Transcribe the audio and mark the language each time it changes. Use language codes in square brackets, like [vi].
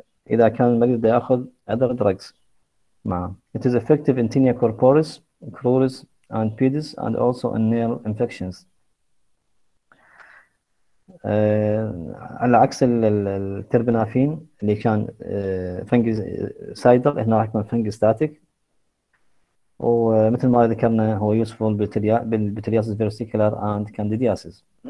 [ar] إذا كان المريض يأخذ [en] other drugs [ar] معه. [en] It is effective in tinea corporis, cruris and pedis and also in nail infections. [ar] على عكس التربنافين اللي كان فنجس سايدر، هنا راح يكون فنجس ستاتيك. ومثل ما ذكرنا هو يوسفول بالبتلياسيس فيرسيكولار اند كانديدياسيس.